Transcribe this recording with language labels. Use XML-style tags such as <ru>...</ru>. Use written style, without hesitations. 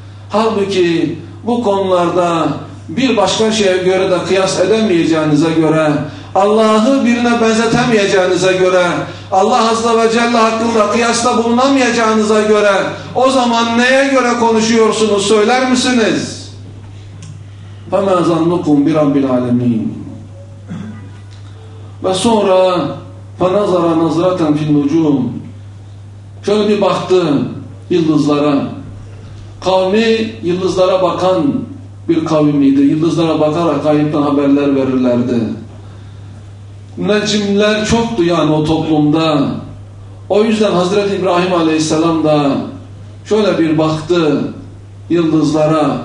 <tr>Halbuki bu konularda bir başka şeye göre de kıyas edemeyeceğinize göre Allah'ı birine benzetemeyeceğinize göre, Allah Azze ve Celle hakkında kıyasla bulunamayacağınıza göre, o zaman neye göre konuşuyorsunuz, söyler misiniz?</tr> <ar>فَمَا ظَنُّكُمْ بِرَبِّ الْعَالَمِينَ.</ar> <tr>Ve sonra</tr> <ar>فَنَظَرَ نَظْرَةً فِي النُّجُومِ.</ar> <tr>Şöyle bir baktı yıldızlara. Kavmi yıldızlara bakan bir kavimiydi. Yıldızlara bakarak gaybtan haberler verirlerdi. Necimler çoktu yani o toplumda. O yüzden Hazreti İbrahim Aleyhisselam da şöyle bir baktı yıldızlara.</tr>